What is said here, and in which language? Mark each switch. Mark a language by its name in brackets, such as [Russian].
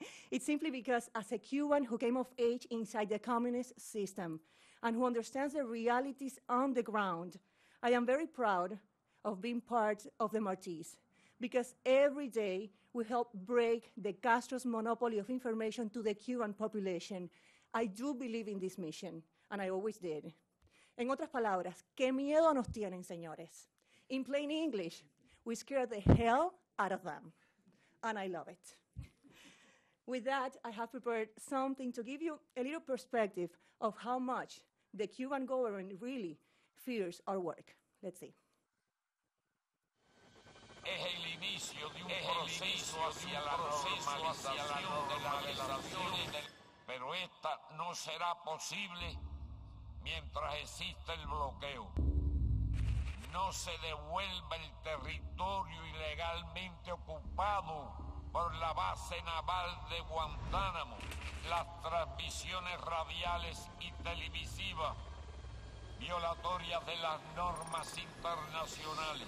[English] It's simply because as a Cuban who came of age inside the communist system and who understands the realities on the ground, I am very proud of being part of the Martis, because every day we help break the Castro's monopoly of information to the Cuban population. I do believe in this mission, and I always did. [Spanish] En otras palabras, ¿qué miedo nos tienen, señores? [English] In plain English, we scare the hell out of them, and I love it. With that, I have prepared something to give you a little perspective of how much the Cuban government really fears our work. Let's see. [Spanish] Es el inicio de un proceso hacia la normalización de las relaciones, pero esta no será posible mientras exista el bloqueo. No se devuelva el territorio ilegalmente ocupado por la base naval de Guantánamo, las transmisiones radiales y televisivas violatorias de las normas internacionales.